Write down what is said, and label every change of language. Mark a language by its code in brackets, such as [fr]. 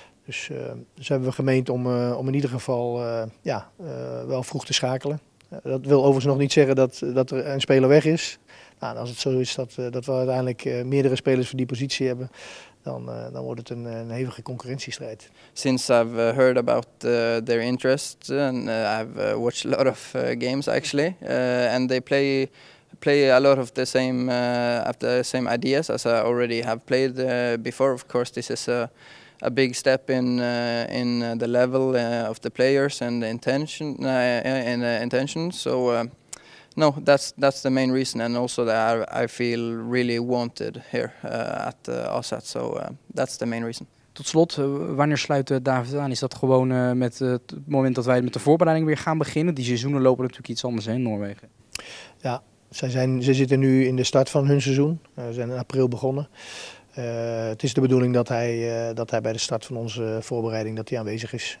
[nl] Dus hebben we gemeend om in ieder geval wel vroeg te schakelen. Dat wil overigens nog niet zeggen dat er een speler weg is. Nou, als het zo is dat we uiteindelijk meerdere spelers voor die positie hebben, dan wordt het een hevige concurrentiestrijd. [en] Since I've heard about their interest and I've watched a lot of games actually, and they play a lot of the same ideas as I already have played before. Of course, this is a big step in the level of the players and the intention. So that's the main reason, and also that I feel really wanted here at AZ. So that's the main reason. [nl] Tot slot, wanneer sluit David aan? Is dat gewoon met het moment dat wij met de voorbereiding weer gaan beginnen? Die seizoenen lopen natuurlijk iets anders, hè, in Noorwegen. Ja. Ze zitten nu in de start van hun seizoen. Ze zijn in april begonnen. Het is de bedoeling dat hij bij de start van onze voorbereiding dat hij aanwezig is.